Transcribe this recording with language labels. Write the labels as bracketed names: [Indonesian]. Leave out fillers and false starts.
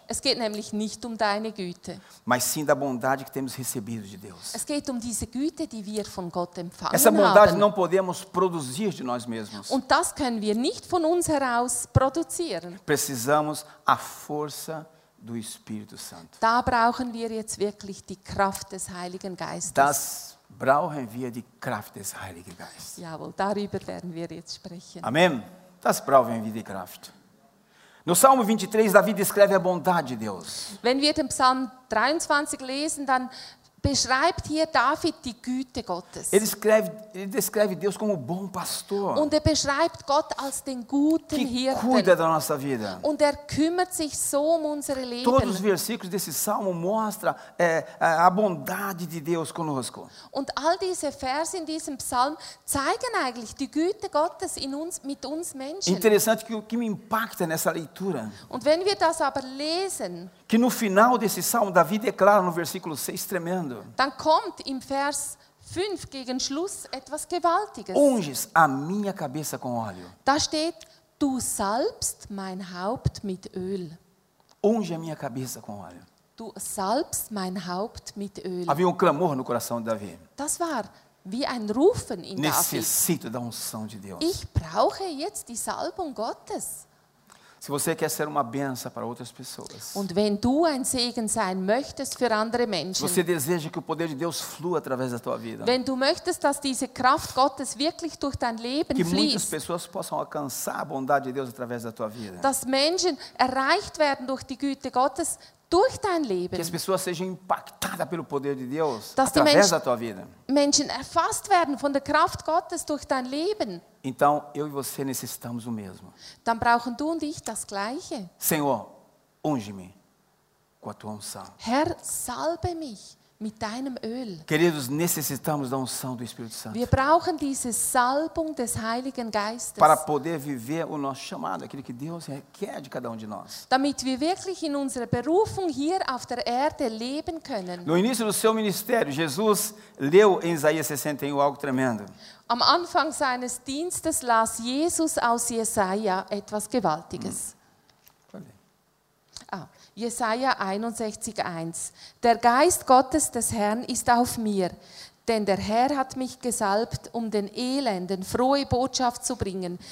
[German] Es geht nämlich nicht um deine Güte. [Portuguese] Mas sim da bondade que temos recebido de Deus. [German] Es geht um diese Güte, die wir von Gott empfangen [Portuguese] essa bondade [German] haben. [Portuguese] Não podemos produzir de nós mesmos. [German] Und das können wir nicht von uns heraus produzieren. [Portuguese] Precisamos a força do Espírito Santo. [German] Da brauchen wir jetzt wirklich die Kraft des Heiligen Geistes. Das brauchen wir die Kraft des Heiligen Geistes. Jawohl, darüber werden wir jetzt sprechen. [Portuguese] Amém. [German] Das brauchen wir die Kraft. [Portuguese] No Salmo 23, Davi descreve a bondade de Deus. [German] Wenn wir den Psalm 23 lesen, dann beschreibt hier David die Güte Gottes. [Portuguese] Ele descreve Deus como bom pastor. [German] Und er beschreibt Gott als den guten Hirten. [Portuguese] Que cuida da nossa vida. [German] Und er kümmert sich so unsere Leben. [Portuguese] Todos os versículos desse salmo mostra a bondade de Deus conosco. [German] Und all diese Verse in diesem Psalm zeigen eigentlich die Güte Gottes in uns mit uns Menschen. [Portuguese] Interessante que o que me impacta nessa leitura. [German] Und wenn wir das aber lesen, [Portuguese] que no final desse salmo Davi declara no versículo 6 tremendo. [German] Dann kommt im Vers 5 gegen Schluss etwas Gewaltiges. [Portuguese] Unges a minha cabeça com óleo. [German] Da steht, du salbst mein Haupt mit Öl. [Portuguese] Unge a minha cabeça com óleo. [German] Du salbst mein Haupt mit Öl. [Portuguese] Havia um clamor no coração de Davi. [German] Das war wie ein Rufen in [Portuguese] Necessito [German] David. [Portuguese] Da unção de Deus. [German] Ich brauche jetzt die Salbung Gottes. [Portuguese] Se você quer ser uma bênção para outras pessoas. [German] Und wenn du ein Segen sein möchtest für andere Menschen. [Portuguese] Você deseja que o poder de Deus flua através da tua vida. [German] Wenn du möchtest, dass diese Kraft Gottes wirklich durch dein Leben [Portuguese] que [German] fließt. [Portuguese] Que muitas pessoas possam alcançar a bondade de Deus através da tua vida. [German] Dass Menschen erreicht werden durch die Güte Gottes durch dein Leben. [Portuguese] Que as pessoas sejam impactadas pelo poder de Deus [German] dass [Portuguese] através [German] Menschen, [Portuguese] da tua vida. [German] Menschen erfasst werden von der Kraft Gottes durch dein Leben. [Portuguese] Então eu e você necessitamos o mesmo. [German] Dann brauchen du und ich das gleiche. [Portuguese] Senhor, unge-me com a tua unção. [German] Herr, salbe mich mit deinem Öl. [Portuguese] Queridos, necessitamos da unção do Espírito Santo. [German] Wir brauchen diese Salbung des Heiligen Geistes. [Portuguese] Para poder viver o nosso chamado, aquilo que Deus requer de cada de nós. [German] Damit wir wirklich in unserer Berufung hier auf der Erde leben können. [Portuguese] No início do seu ministério, Jesus leu em Isaías 61 algo tremendo. [German] Am Anfang seines Dienstes las Jesus aus Jesaja etwas Gewaltiges. Jesaja 61,1. Der Geist Gottes des Herrn ist auf mir, denn der Herr hat mich gesalbt, um den Elenden frohe Botschaft zu bringen.